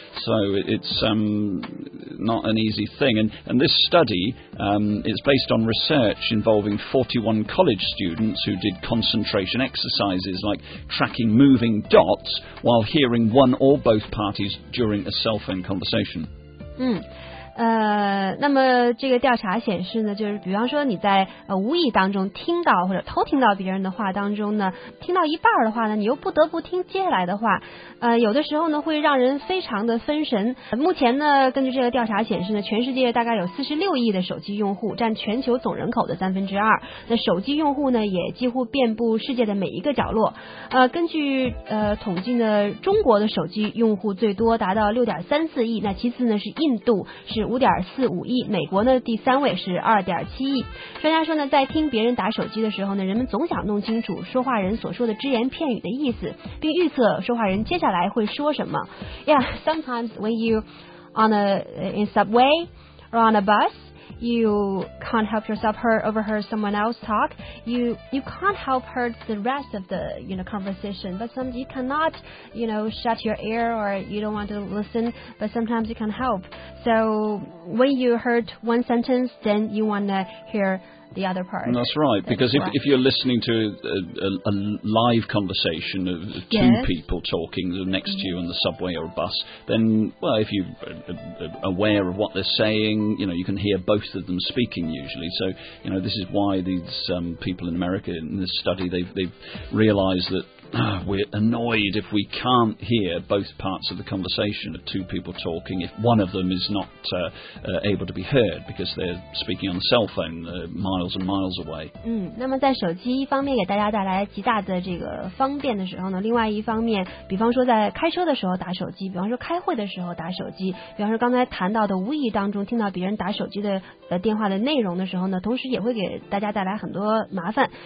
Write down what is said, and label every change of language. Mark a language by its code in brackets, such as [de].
[en] So it's not an easy thing. And this study, it's based on research involving 41 college students who did concentration exercises like tracking moving dots while hearing one or both parties during a cell phone conversation. [zh] 那么这个调查显示呢，就是比方说你在无意当中听到或者偷听到别人的话当中呢，听到一半的话呢，你又不得不听接下来的话，有的时候呢会让人非常的分神。目前呢，根据这个调查显示呢，全世界大概有46亿的手机用户，占全球总人口的2%。那手机用户呢，也几乎遍布世界的每一个角落。根据统计呢，中国的手机用户最多达到6.34亿，那其次呢是印度。是5.45亿，美国呢第三位是2.7亿。专家说呢，在听别人打手机的时候呢，人们总想弄清楚说话人所说的只言片语的意思，并预测说话人接下来会说什么。 [en] Yeah, sometimes when you in subway or on a bus, you can't help yourself overheard someone else talk. You can't help heard the rest of the conversation. But sometimes you cannot shut your ear or you don't want to listen. But sometimes you can't help. So when you heard one sentence, then you want to hear the other part. And that's right, because if you're listening to a live conversation of two people talking next to you on the subway or a bus, then, well, if you're aware of what they're saying, you can hear both of them speaking usually. So, this is why these people in America in this study, they've realized that,we're annoyed if we can't hear both parts of the conversation of two people talking, if one of them is not able to be heard because they're speaking on the cell phone miles and miles away. [zh] 那么在手机一方面给大家带来极大的这个方便的时候呢，另外一方面，比方说在开车的时候打手机，比方说开会的时候打手机，比方说刚才谈到的无意当中听到别人打手机的电话的内容的时候呢，同时也会给大家带来很多麻烦。